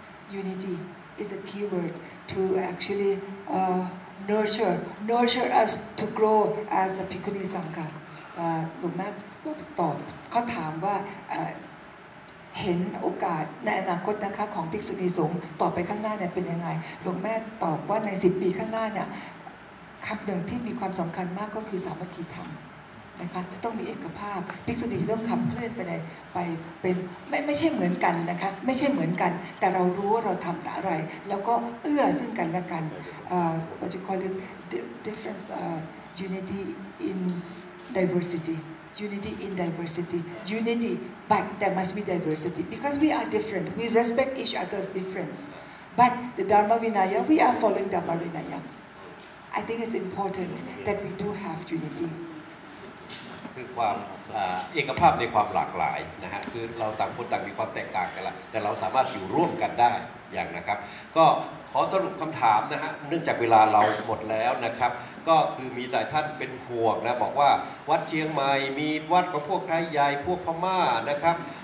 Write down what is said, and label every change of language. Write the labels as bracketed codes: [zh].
[en] Unity is a key word to actually nurture us to grow as a Bhikkhuni Sangha. [th] หลวงแม่ตอบเขาถามว่า เห็นโอกาสในอนาคตนะคะของภิกษุณีสงฆ์ต่อไปข้างหน้าเนี่ยเป็นยังไงหลวงแม่ตอบว่าใน10ปีข้างหน้าเนี่ยคำหนึ่งที่มีความสำคัญมากก็คือสามัคคีธรรมนะคะจะต้องมีเอกภาพภิกษุณีต้องขับเคลื่อนไปในไปเป็นไม่ใช่เหมือนกันนะคะไม่ใช่เหมือนกันแต่เรารู้ว่าเราทำอะไรแล้วก็เอื้อซึ่งกันและกัน [en] What you call it difference unity in diversityUnity in diversity. Unity, but there must be diversity because we are different. We respect each other's difference. But the Dharma Vinaya, we are following Dharma Vinaya. I think it's important that we do have unity. [th] คือความเอกภาพในความหลากหลายนะฮะคือเราต่างคนต่างมีความแตกต่างกันละแต่เราสามารถอยู่ร่วมกันได้อย่างนะครับก็ขอสรุปคำถามนะฮะเนื่องจากเวลาเราหมดแล้วนะครับก็คือมีหลายท่านเป็นห่วงนะบอกว่าวัดเชียงใหม่มีวัดของพวกไทยใหญ่พวกพม่านะครับ